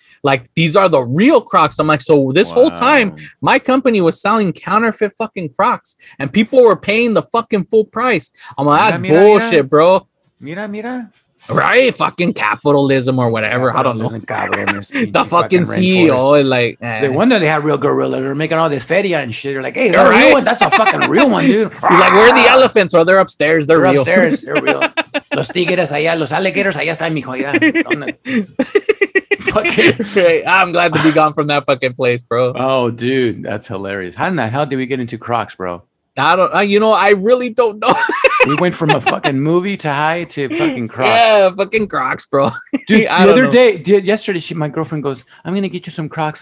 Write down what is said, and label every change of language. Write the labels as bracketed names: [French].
[English] Like, these are the real Crocs. I'm like, so this whole time, my company was selling counterfeit fucking Crocs, and people were paying the fucking full price. I'm like, that's bullshit, bro. [Spanish] Mira. [English] Right? Fucking capitalism or whatever. Capitalism, I don't know. The fucking CEO. Like, they wonder they had real gorillas. They're making all this feria and shit. They're like, hey, they're real one? That's a fucking real one, dude. He's like, where are the elephants? Oh, they're upstairs. They're real. Upstairs. They're real. [Spanish] Los tigres allá, los alligators allá están, mijo. [English] Yeah. I'm glad to be gone from that fucking place, bro. Oh, dude, that's hilarious. How in the hell did we get into Crocs, bro? I really don't know. We went from a fucking movie to high to fucking Crocs. Yeah, fucking Crocs, bro. Dude, yesterday, my girlfriend goes, I'm going to get you some Crocs.